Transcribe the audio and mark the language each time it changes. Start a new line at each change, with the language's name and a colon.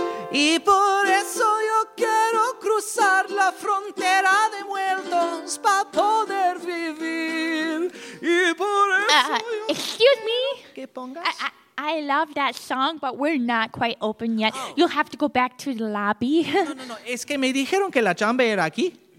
Spanish: Y por eso yo quiero cruzar la frontera de muertos pa poder vivir. Y por eso
English: excuse me.
Spanish: Que pongas.
English: I love that song, but we're not quite open yet. Oh. You'll have to go back to the lobby.
Spanish: No. Es que me dijeron que la chamba era aquí.